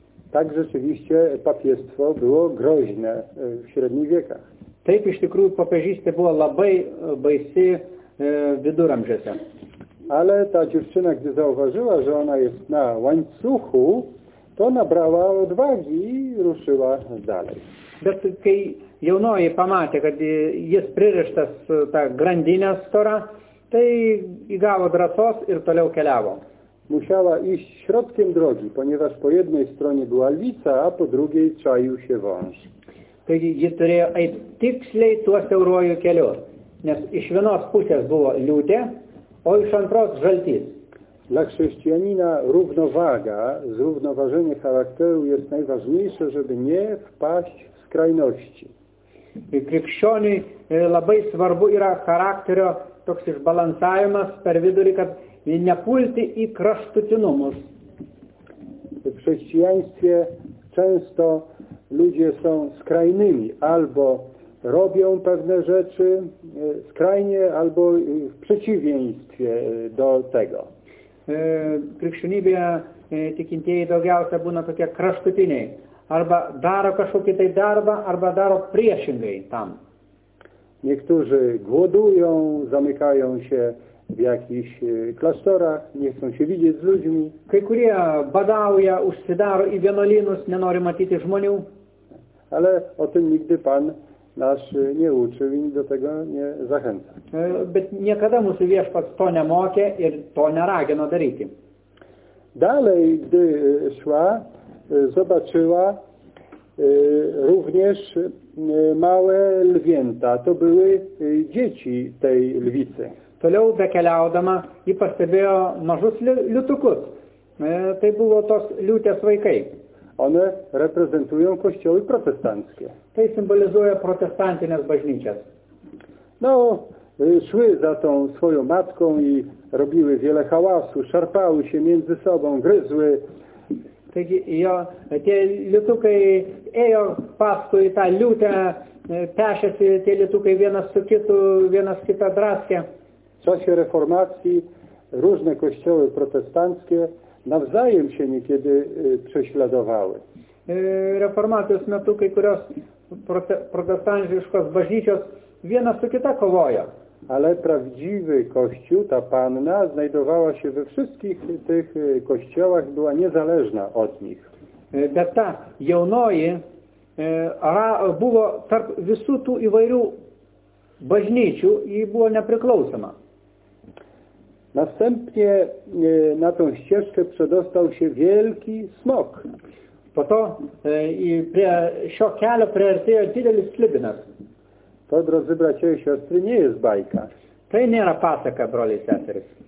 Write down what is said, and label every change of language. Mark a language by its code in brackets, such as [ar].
[pl] Tak rzeczywiście papiestwo było groźne w średnich wiekach. [lt] Taip iš tikrųjų popiežystė buvo labai baisi viduramžiuose. [pl] Ale ta dziewczyna, gdy zauważyła, że ona jest na łańcuchu, to nabrała odwagi i ruszyła dalej. [lt] Bet kai jaunoji pamatė, kad jis pririštas tą grandinę storą, tai įgavo drąsos ir toliau keliavo. [pl] Musiała iść środkiem drogi, ponieważ po jednej stronie była lwica, a po drugiej czaił się wąż. [lt] Taigi ji turėjo eiti tiksliai tuo siauruoju keliu, nes iš vienos pusės buvo liūtė, o iš antros žaltys. [pl] Dla chrześcijanina równowaga, zrównoważenie charakteru jest najważniejsze, żeby nie wpaść w skrajności. [lt] Krikščioniui labai svarbu yra charakterio toks išbalansavimas per vidurį, kad nepulti į kraštutinumus. [pl] W chrześcijaństwie często ludzie są skrajnymi, albo robią pewne rzeczy skrajnie, albo w przeciwieństwie do tego. [lt] Krikščionybėje tikintieji daugiausia būna tokie kraštutiniai. Arba daro kažkokį tai darbą, arba daro priešingai tam. [pl] Niektórzy głodują, zamykają się w jakichś klasztorach, nie chcą się widzieć z ludźmi. [lt] Kai kurie badauja, užsidaro į vienolinus, nenori matyti žmonių. [pl] Ale o tym nigdy Pan nasz nie uczył i do tego nie zachęca. [lt] Bet niekada mūsų viešpats to nemokė ir to neragino daryti. [pl] Dalej, gdy szła, zobaczyła również małe lwięta. To były dzieci tej lwicy. [lt] Toliau bekeliaudama i pastebėjo mažus liutukus. Tai buvo tos liūtės vaikai. [pl] One reprezentują kościoły protestanckie. [lt] Tai symbolizuje protestantines bažnyčias. [pl] No, szły za tą swoją matką i robiły wiele hałasu, szarpały się między sobą, gryzły. [lt] Taigi, jo, tie liutukai ėjo paskui tą liūtę, pešėsi tie liutukai vienas su kitu, vienas kitą draskė. [pl] W czasie reformacji różne kościoły protestanckie nawzajem się niekiedy prześladowały. [lt] Reformacijos metu kai kurios protestantiškos bažnyčios viena su kita kovoja. [pl] Ale prawdziwy kościół, ta panna, znajdowała się we wszystkich tych kościołach, była niezależna od nich. [lt] Bet ta jaunoji buvo tarp visų tų įvairių bažnyčių, jį buvo nepriklausoma. [pl] Następnie na tą ścieżkę przedostał się wielki smok. [lt] Po to i prie šio kelio priartėjo didelis slibinas. [pl] To, drodzy bracia i siostry, nie jest bajka. To nie jest pasaka, broli i siostry.